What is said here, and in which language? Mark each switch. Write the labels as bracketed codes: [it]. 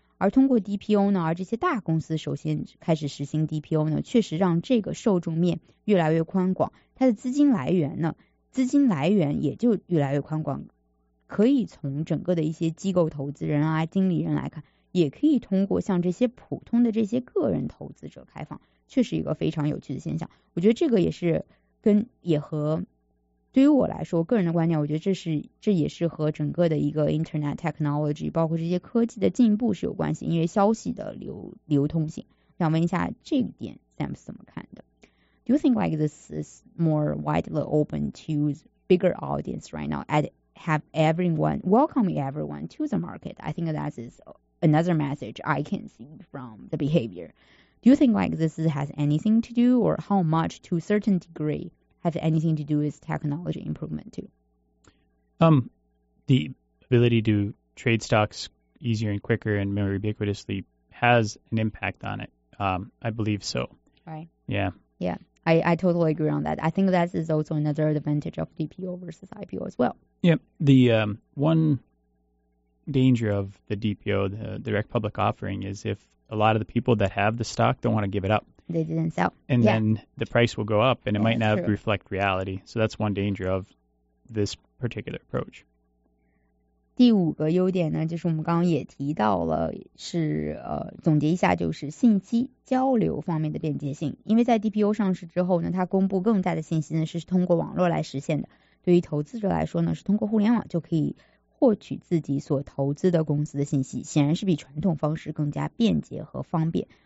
[zh] 而通过 DPO 呢，而这些大公司首先开始实行 DPO 呢，确实让这个受众面越来越宽广，它的资金来源呢，资金来源也就越来越宽广，可以从整个的一些机构投资人啊、经理人来看，也可以通过像这些普通的这些个人投资者开放，确实一个非常有趣的现象。我觉得这个也是跟也和对于我来说，个人的观点，我觉得这也是和整个的一个 [en] internet technology [zh] 包括这些科技的进步是有关系，因为消息的流通性。想问一下这一点 Sam 是怎么看的？ [en] Do you think like this is more widely open to bigger audience right now and have everyone welcome everyone to the market? I think that is another message I can see from the behavior. Do you think like this has anything to do or how much to a certain degree? Have anything to do with technology improvement too? The ability to trade stocks easier and quicker and more ubiquitously has an impact on it. I believe so. Right. Yeah. Yeah, I totally agree on that. I think that is also another advantage of DPO versus IPO as well. Yeah, the one danger of the DPO, the direct public offering, is if a lot of the people that have the stock don't want to give it up. They didn't sell. And then the price will go up and it might not reflect reality. So that's one danger of this particular approach. [zh] 第五个优点呢，就是我们刚刚也提到了，是总结一下，就是信息交流方面的便捷性。因为在 DPO 上市之后呢，它公布更大的信息呢，是通过网络来实现的。对于投资者来说呢，是通过互联网就可以获取自己所投资的公司的信息，显然是比传统方式更加便捷和方便。